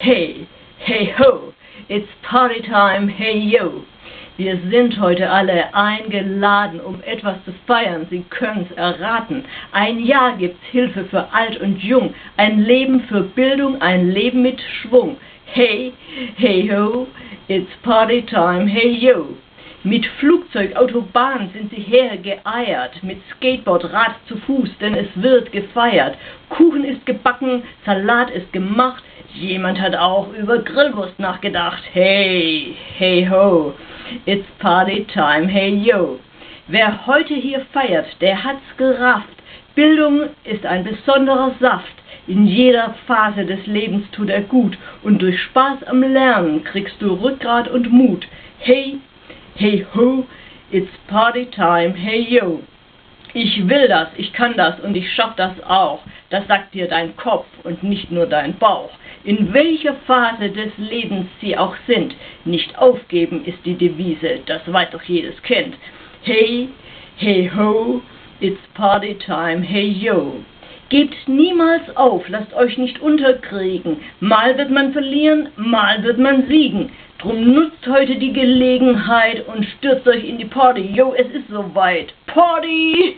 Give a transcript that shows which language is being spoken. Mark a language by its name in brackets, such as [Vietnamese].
[English] Hey, hey ho, it's party time, hey yo. [German] Wir sind heute alle eingeladen, um etwas zu feiern, Sie können's erraten. Ein Jahr gibt's Hilfe für alt und jung, ein Leben für Bildung, ein Leben mit Schwung. [English] Hey, hey ho, it's party time, hey yo. [German] Mit Flugzeug, Autobahn sind sie hergeeiert, mit Skateboard, Rad zu Fuß, denn es wird gefeiert. Kuchen ist gebacken, Salat ist gemacht, jemand hat auch über Grillwurst nachgedacht. [English] Hey, hey ho, it's party time, hey yo. [German] Wer heute hier feiert, der hat's gerafft. Bildung ist ein besonderer Saft. In jeder Phase des Lebens tut er gut. Und durch Spaß am Lernen kriegst du Rückgrat und Mut. [English] Hey, hey ho, it's party time, hey yo. [German] Ich will das, ich kann das und ich schaff das auch. Das sagt dir dein Kopf und nicht nur dein Bauch. In welcher Phase des Lebens sie auch sind, nicht aufgeben ist die Devise, das weiß doch jedes Kind. [English] Hey, hey ho, it's party time, hey yo. [German] Gebt niemals auf, lasst euch nicht unterkriegen. Mal wird man verlieren, mal wird man siegen. Drum nutzt heute die Gelegenheit und stürzt euch in die Party. Yo, es ist soweit. Party!